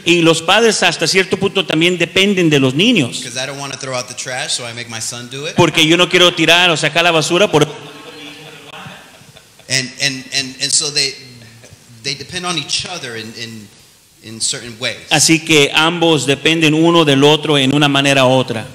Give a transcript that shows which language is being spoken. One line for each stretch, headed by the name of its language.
Spanish: Y los padres hasta cierto punto también dependen de los niños.
English: Because I don't want to throw out the trash, so I make my son do it.
Spanish: Porque yo no quiero tirar o sacar la basura por.
English: And so they depend on each other in certain ways.
Spanish: Así que ambos dependen uno del otro en una manera u otra.